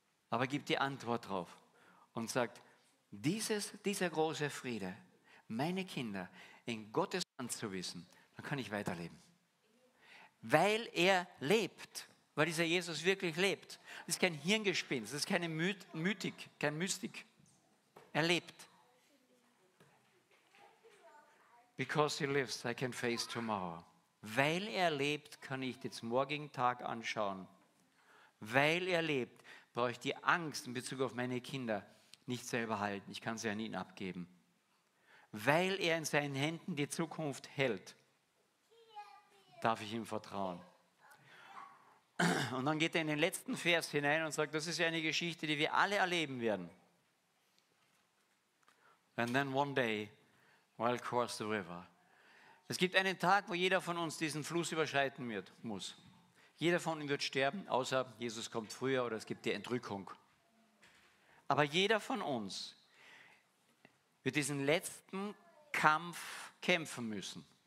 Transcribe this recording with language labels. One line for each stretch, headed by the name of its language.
German: Aber gibt die Antwort drauf und sagt, dieser große Friede, meine Kinder in Gottes Hand zu wissen, dann kann ich weiterleben. Weil er lebt, weil dieser Jesus wirklich lebt. Das ist kein Hirngespinst, das ist keine Mythik, kein Mystik. Er lebt.
English: Because he lives, I can face tomorrow.
German: Weil er lebt, kann ich den morgigen Tag anschauen. Weil er lebt, brauche ich die Angst in Bezug auf meine Kinder nicht selber halten. Ich kann sie an ihn abgeben. Weil er in seinen Händen die Zukunft hält, darf ich ihm vertrauen. Und dann geht er in den letzten Vers hinein und sagt, das ist ja eine Geschichte, die wir alle erleben werden.
English: And then one day, we'll cross the river.
German: Es gibt einen Tag, wo jeder von uns diesen Fluss überschreiten wird, muss. Jeder von uns wird sterben, außer Jesus kommt früher oder es gibt die Entrückung. Aber jeder von uns wird diesen letzten Kampf kämpfen müssen.